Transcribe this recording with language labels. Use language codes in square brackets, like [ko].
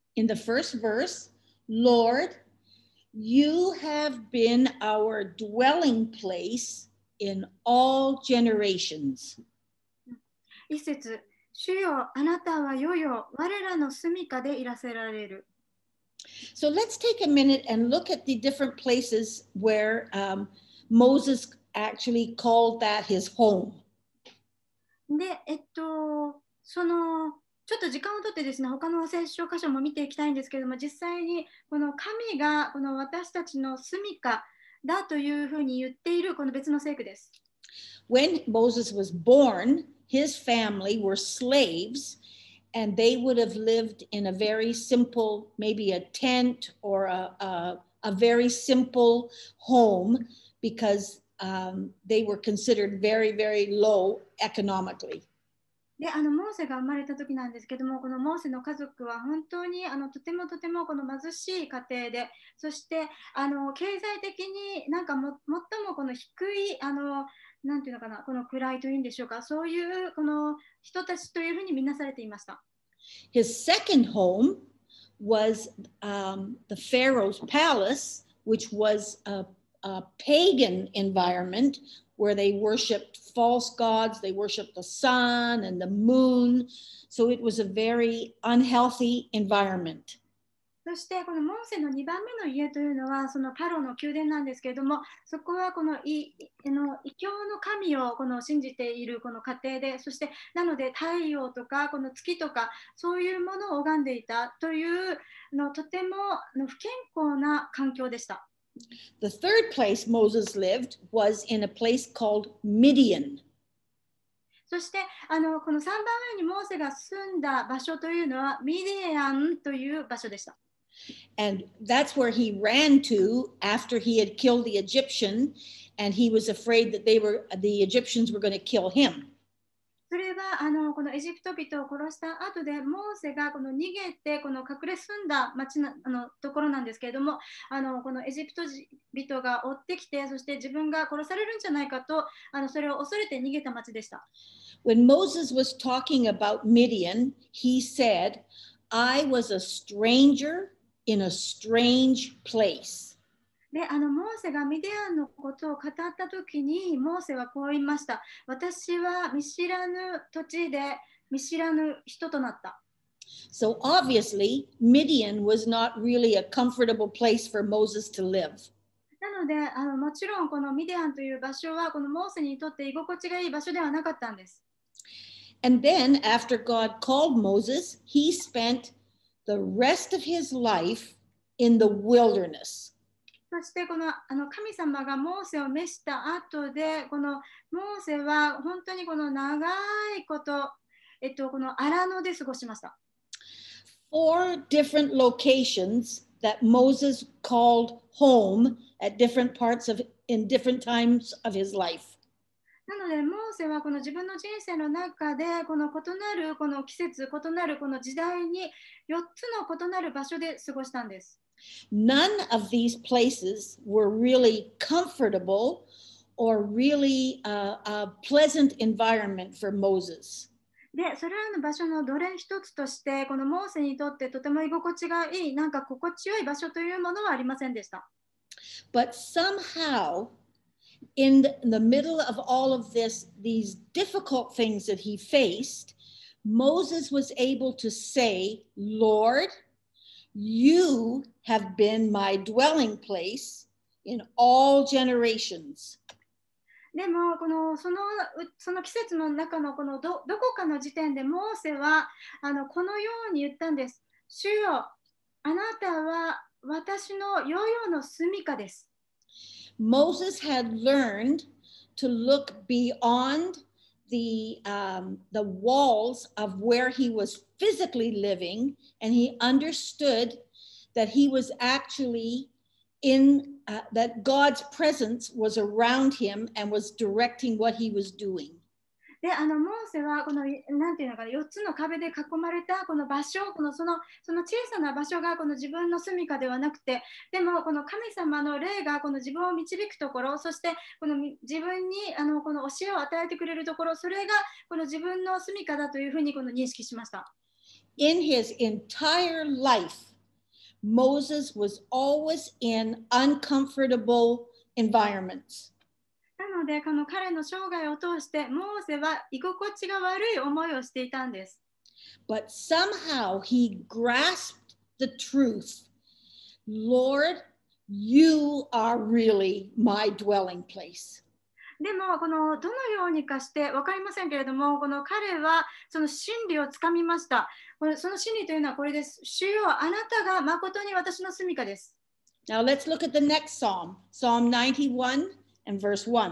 [en] In the first verse, Lord. You have been our dwelling place in all generations. [ja] 一節、主よ、あなたはよよ、我らの住処でいらせられる。 [en] So let's take a minute and look at the different places where Moses actually called that his home. [ja] で、その、ちょっと時間をとってですね、他の聖書箇所も見ていきたいんですけれども、実際にこの神がこの私たちの住処だというふうに言っているこの別の聖句です。 [en] When Moses was born, his family were slaves, and they would have lived in a very simple, maybe a tent or a very simple home, because they were considered very, very low economically. [ja] で、あのモーセが生まれた時なんですけども、このモーセの家族は本当にあのとてもとてもこの貧しい家庭で、そしてあの経済的になんかも最もこの低いあのなんていうのかな、この位というんでしょうか、そういうこの人たちというふうに見なされていました。 [en] His second home was the Pharaoh's palace, which was a pagan environment where they worshipped false gods, they worshipped the sun and the moon, so it was a very unhealthy environment. [ja] そしてこのモーセの2番目の家というのはそのパロの宮殿なんですけれども、そこはこの異教の神をこの信じているこの家庭で、そしてなので太陽とかこの月とかそういうものを拝んでいたというのとても不健康な環境でした。 [en] The third place Moses lived was in a place called Midian. [ja] そしてあのこの3番目にモーセが住んだ場所というのはミディアンという場所でした。 [en] And that's where he ran to after he had killed the Egyptian, and he was afraid that the Egyptians were going to kill him. [ja] それはあのこのエジプト人を殺した後でモーセがこの逃げてこの隠れ住んだ町なあのところなんですけれども、あのこのエジプト人が追ってきて、そして自分が殺されるんじゃないかとあのそれを恐れて逃げた町でした。 [en] When Moses was talking about Midian, he said, I was a stranger in a strange place. [ja] で、あのモーセがミディアンのことを語ったときにモーセはこう言いました。私は見知らぬ土地で見知らぬ人となった。 [en] So obviously, Midian was not really a comfortable place for Moses to live. [ja] なのであのもちろんこのミディアンという場所はこのモーセにとって居心地がいい場所ではなかったんです。 [en] And then after God called Moses, he spent the rest of his life in the wilderness. [ja] そしてこの、 あの神様がモーセを召した後で、このモーセは本当にこの長いこと、この荒野で過ごしました。 [en] Four different locations that Moses called home at different parts of in different times of his life. [ja] なのでモーセはこの自分の人生の中でこの異なるこの季節、異なるこの時代に4つの異なる場所で過ごしたんです。 [en] None of these places were really comfortable or really a pleasant environment for Moses. [ja] で、それらの場所のどれ一つとしてこのモーセにとってとても居心地がいい、なんか心地よい場所というものはありませんでした。 [en] But somehow,In the middle of all of this, these difficult things that he faced, Moses was able to say, Lord, you have been my dwelling place in all generations. [ja] でもこのその季節の中のこのどこかの時点でモーセはあのこのように言ったんです。主よ、あなたは私のよよの住処です。 [en] Moses had learned to look beyond the walls of where he was physically living, and he understood that he was actually in, that God's presence was around him and was directing what he was doing. [ja] で、あのモーセはこのなんていうのかな、4つの壁で囲まれたこの場所、このその小さな場所がこの自分の住処ではなくて、でもこの神様の霊がこの自分を導くところ、そしてこの自分にあのこの教えを与えてくれるところ、それがこの自分の住処だというふうにこの認識しました。 [en] In his entire life, Moses was always in uncomfortable environments. [ja] なのので、この彼の生涯を通して、モーセは居心地が悪い思いをしていたんです。 [en] But somehow he grasped the truth. Lord, you are really my dwelling place. [ja] でも、このどのようにかして分かりませんけれども、この彼はその真理をつかみました。その真理というのはこれです。主よ、あなたが誠に私の住処です。 [en] Now let's look at the next psalm, Psalm 91 and verse